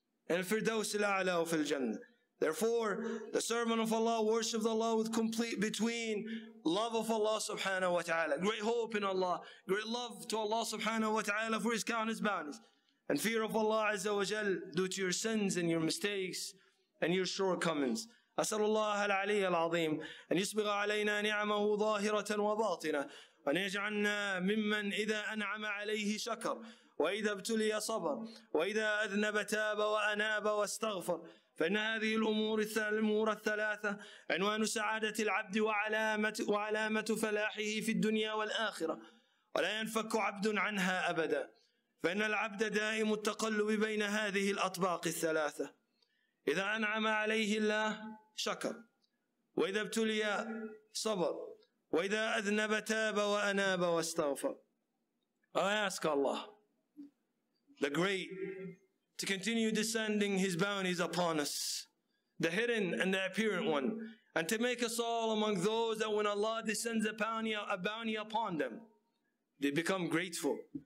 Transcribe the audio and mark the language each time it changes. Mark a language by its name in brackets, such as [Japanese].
[Arabic] Al-Firdaws al-A'la wa fil Jannah. [English] Therefore, the servant of Allah worships Allah with complete between love of Allah subhanahu wa ta'ala, great hope in Allah, great love to Allah subhanahu wa ta'ala for His countless bounties, and fear of Allah azza wa jal due to your sins and your mistakes and your shortcomings. [Arabic] أسأل الله العلي العظيم أن يسبغ علينا نعمه ظاهرة وباطنة وأن يجعلنا ممن إذا أنعم عليه شكر وإذا ابتلي صبر وإذا أذنب تاب وأناب واستغفر فإن هذه الأمور الثلاثة عنوان سعادة العبد وعلامة فلاحه في الدنيا والآخرة ولا ينفك عبد عنها أبدا فإن العبد دائم التقلب بين هذه الأطباق الثلاثة إذا أنعم عليه الله شكر وإذا ابتلي صبر وإذا أذنب تاب وأناب واستغفر. [English] I ask Allah, the great, to continue descending His bounties upon us, the hidden and the apparent one, and to make us all among those that when Allah descends a bounty upon them, they become grateful.